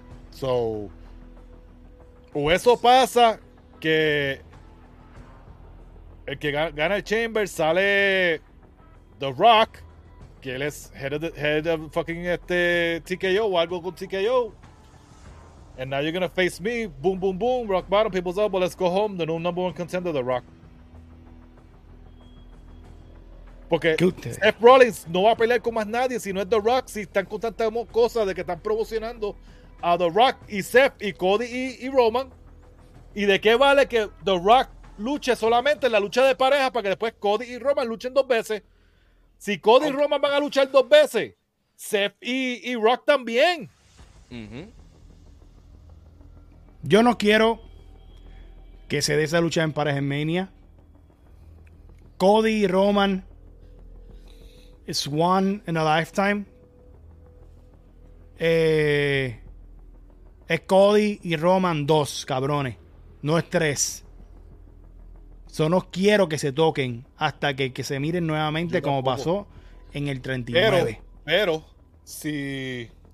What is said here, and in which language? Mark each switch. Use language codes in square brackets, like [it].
[es] So, o eso pasa, que el que gana el Chamber sale The Rock, que él es [en] head of fucking [es] TKO o algo con TKO. [en] And now you're gonna face me, boom, boom, boom, rock bottom, people's up, but let's go home, the new number one contender, The Rock. [es] Porque Seth Rollins no va a pelear con más nadie si no es The Rock, si están con tantas cosas de que están promocionando a The Rock y Seth y Cody y Roman. ¿Y de qué vale que The Rock luche solamente en la lucha de pareja para que después Cody y Roman luchen dos veces? Si Cody y Roman van a luchar dos veces, Seth y Rock también. Uh-huh. Yo no quiero que se dé esa lucha en pareja en Mania. [en] Cody y Roman is one in a lifetime. [es] Es Cody y Roman 2, cabrones. No es 3. So no quiero que se toquen hasta que se miren nuevamente como pasó en el 39. Pero, si...